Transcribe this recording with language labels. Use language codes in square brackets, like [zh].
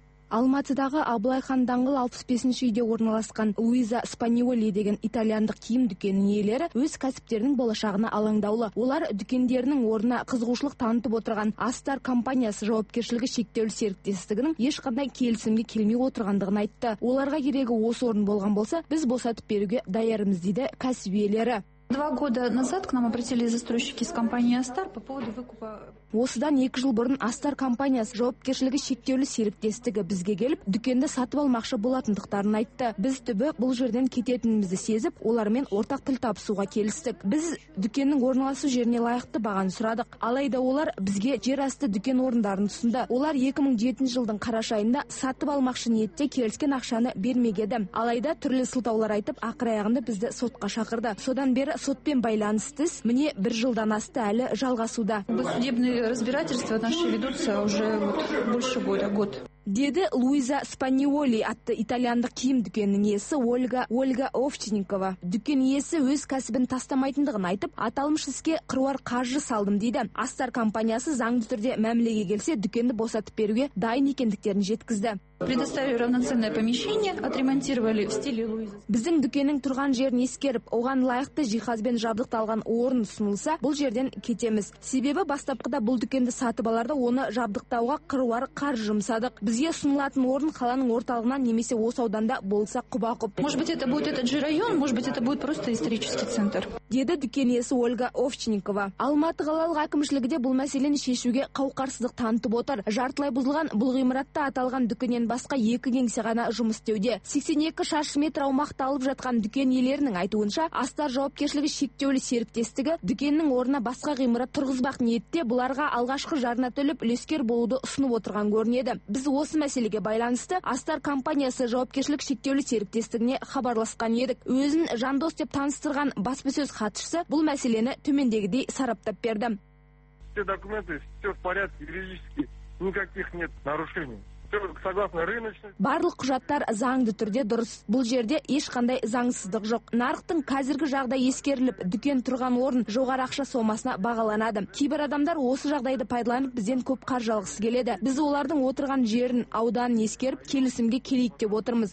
[kk] Алматыдағы Абылай хан даңғылы 65-ші үйде орналасқан Луиза Спаниоли деген итальяндық киім дүкенінің иелері өз кәсіптерінің болашағына алаңдаулы. Олар дүкендерінің орнына қызығушылық танытып отырған Астар компаниясы жауапкершілігі шектеулі серіктестігінің ешқандай келісімге келмей отырғандығын айтты. Оларға керегі осы орын болған болса, біз босатып беруге даярымыз дейді кәсіп иелері. [ru] 2 года назад к нам обратились застройщики из компании Астар по поводу выкупа. [kk] Осыдан 2 жыл бұрын Астар компаниясы жауапкершілігі шектеулі серіктестігі бізге келіп, дүкенді сатып алмақшы болатындықтарын айтты. Біз түбі бұл жерден кететінімізді сезіп, олармен ортақ тіл табысуға келістік. Біз дүкеннің орналасу жеріне лайықты бағаны сұрадық. Алайда олар бізге жер асты дүкен орындарын ұсынды. Олар 2007 жылдың қараша айында сатып алмақшы ниетте келіскен ақшаны бермегеді. Алайда түрлі сылтаулар айтып, ақыр аяғында бізді сотқа шақырды. Содан бері сотпен байланысты, міне 1 жылдан асты әлі жалғасуда. [ru] Разбирательства наши ведутся уже вот больше года. [kk] Деді Луиза Спаниоли атты итальяндық киім дүкенінің иесі Ольга Овчинникова. Дүкен иесі өз кәсібін тастамайтындығын айтып, аталмыш іске қыруар қаржы салдым дейді. Астар компаниясы заңды түрде мәмілеге келсе, дүкенді босатып беруге дайын екендіктерін жеткізді. [ru] Предоставили равноценное помещение, отремонтировали в стиле Луиза. [kk] Біздің дүкеннің тұрған жерін ескеріп, оған лайықты жиһазбен жабдықталған орын ұсынылса, бұл жерден кетеміз. Себебі бастапқыда бұл дүкенді сатып аларда оны жабдықтауға қыруар қаржы жұмсадық. Бізге ұсынылатын орын қаланың орталығынан немесе осы ауданда болса құба-құп. [ru] Может быть, это будет этот же район, может быть, это будет просто исторический центр. [kk] Деді дүкен иесі Ольга Овчинникова. Алматы қалалық әкімшілігі де бұл мәселені шешуге қауқарсыздық танытып отыр. Жартылай бұзылған бұл ғимаратта аталған дүкеннен басқа 2 кеңсе ғана жұмыс істеуде. 82 шаршы метр аумақты алып жатқан дүкен иелерінің айтуынша, Астар жауапкершілігі шектеулі серіктестігі дүкеннің орнына басқа ғимарат тұрғызбақ ниетте, бұларға алғашқы жарна төлеп үлескер болуды ұсынып отырған көрінеді. Біз осы мәселеге байланысты Астар компаниясы жауапкершілік шектеулі серіктестігіне хабарласқан едік. Өзін жандос деп таныстырған баспасөз хатшысы бұл мәселені төмендегідей сараптап берді. [ru] Все документы, все в порядке, юридически никаких нет нарушений. [kk] Барлык кужаттар заңды түрде дұрыс. Бұл жерде ешқандай заңсыздық жоқ. Нарықтың қазіргі жағдай ескеріліп, дүкен тұрған орын жоғары ақша сомасына бағаланады. Кейбір адамдар осы жағдайды пайдаланып, бізден көп қаржы алғысы келеді. Біз олардың отырған жерін, ауданын ескеріп, келісімге келейік деп отырмыз.